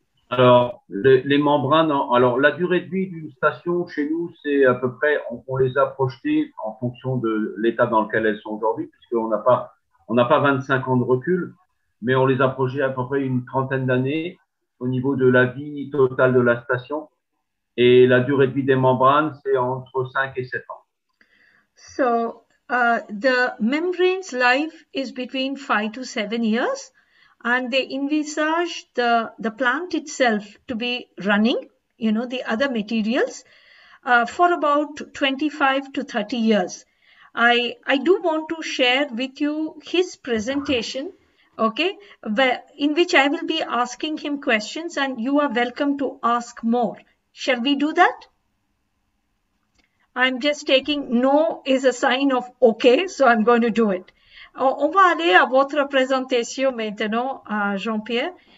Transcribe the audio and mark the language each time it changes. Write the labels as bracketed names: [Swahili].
[French] Alors, les membranes, alors la durée de vie d'une station chez nous, c'est à peu près, on les a projetées en fonction de l'état dans lequel elles sont aujourd'hui, puisqu'on n'a pas, 25 ans de recul, mais on les a projetées à peu près une trentaine d'années au niveau de la vie totale de la station. Et la durée de vie des membranes, c'est entre 5 et 7 ans. [English] So, the membrane's life is between 5 to 7 years. And they envisage the plant itself to be running, you know, the other materials for about 25 to 30 years. I do want to share with you his presentation, okay, in which I will be asking him questions and you are welcome to ask more. Shall we do that? I'm just taking no is a sign of okay, so I'm going to do it. [French] On va aller à votre présentation maintenant, Jean-Pierre.